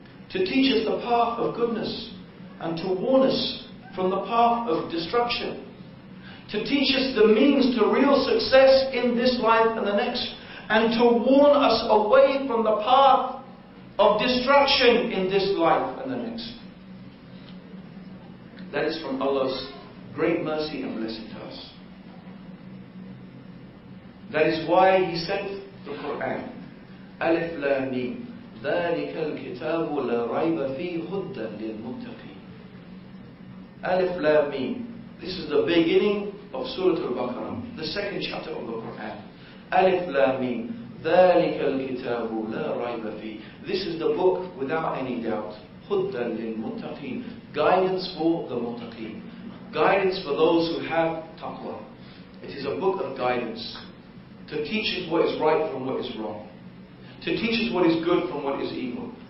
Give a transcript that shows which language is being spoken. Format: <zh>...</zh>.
<en>to teach us the path of goodness and to warn us from the path of destruction, to teach us the means to real success in this life and the next, and to warn us away from the path of destruction in this life and the next. That is from Allah's great mercy and blessing to us. That is why He sent the Qur'an.</en> <ar>Alif Lam Mim. ذَلِكَ الْكِتَابُ لَا رَيْبَ فِي هُدًّا لِلْمُتَّقِينَ Alif Lam Mim.</ar> <en>This is the beginning of Surah Al-Baqarah, the second chapter of the Qur'an.</en> <ar>Alif Lam Mim. ذَلِكَ الْكِتَابُ لَا رَيْبَ فِي.</ar> <en>This is the book without any doubt.</en> <ar>هُدًّا لِلْمُتَّقِينَ.</ar> <en>Guidance for the muttaqeen. Guidance for those who have taqwa. It is a book of guidance, to teach us what is right from what is wrong, to teach us what is good from what is evil.</en>